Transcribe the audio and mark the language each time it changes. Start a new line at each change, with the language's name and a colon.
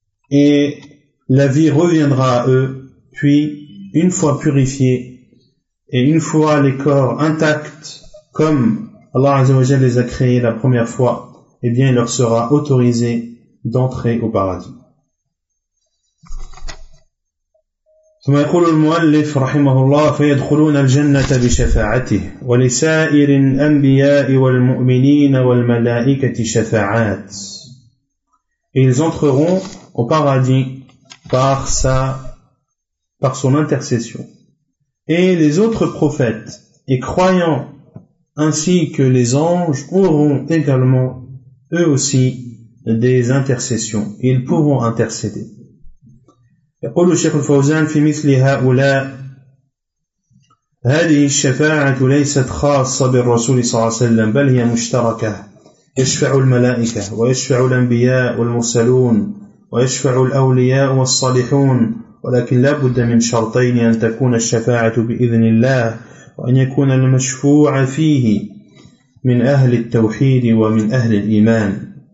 French: et la vie reviendra à eux, puis une fois purifiés et une fois les corps intacts comme Allah Azza wa Jalla les a créés la première fois, eh bien il leur sera autorisé d'entrer au paradis.
Arabic: ثم يقول المؤلف رحمه الله فيدخلون الجنة بشفاعته ولسائر الأنبياء والمؤمنين والملائكة شفاعات.
French: Ils entreront au paradis par son intercession. Et les autres prophètes et croyants ainsi que les anges auront également eux aussi des intercessions. Ils pourront intercéder.
Arabic: يقول الشيخ الفوزان في مثل هؤلاء هذه الشفاعة ليست خاصة بالرسول صلى الله عليه وسلم بل هي مشتركة يشفع الملائكة ويشفع الأنبياء والمرسلون ويشفع الأولياء والصالحون ولكن لا بد من شرطين أن تكون الشفاعة بإذن الله وأن يكون المشفوع فيه من أهل التوحيد ومن أهل الإيمان